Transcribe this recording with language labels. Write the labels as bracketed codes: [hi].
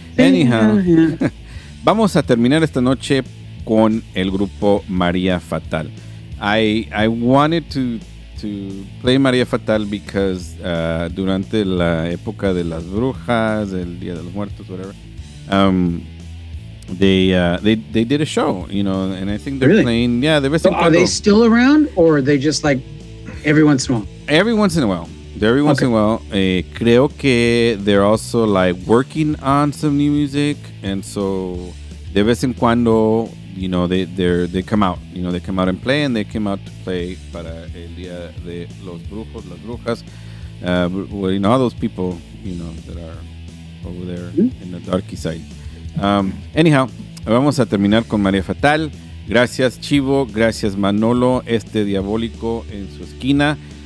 [es] Anyhow, vamos a terminar esta noche con el grupo María Fatal. [en] I wanted to play María Fatal because [es] durante la época de las brujas, el Día de los Muertos, [en] whatever, they did a show, you know, and I think they're really playing. Yeah, they're basically. So are they still around, or are they just like every once in a while? Every once in a while. Every once in a while, [es] creo que [en] they're also like working on some new music, and so [es] de vez en cuando, [en] you know, they come out, you know, they come out and play, and they came out to play [es] para el Día de los Brujos, las Brujas, [en] well, you know, all those people, you know, that are over there in the darky side. [es] Anyhow, vamos a terminar con María Fatal. Gracias Chivo, gracias Manolo, este diabólico en su esquina.